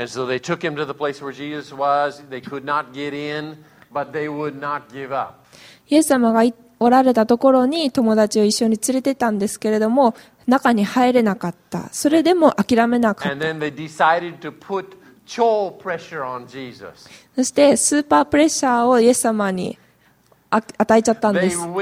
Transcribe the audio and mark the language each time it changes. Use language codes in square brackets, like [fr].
[en] And so they took him to the place where Jesus was. They could not get in, but they would not give up. [ja] イエス様がおられたところに友達を一緒に連れてたんですけれども、中に入れなかった。それでも諦めなかった。 [en] And then they decided to put超pressure on Jesus. [ja] そしてスーパープレッシャーをイエス様に与えちゃったんです。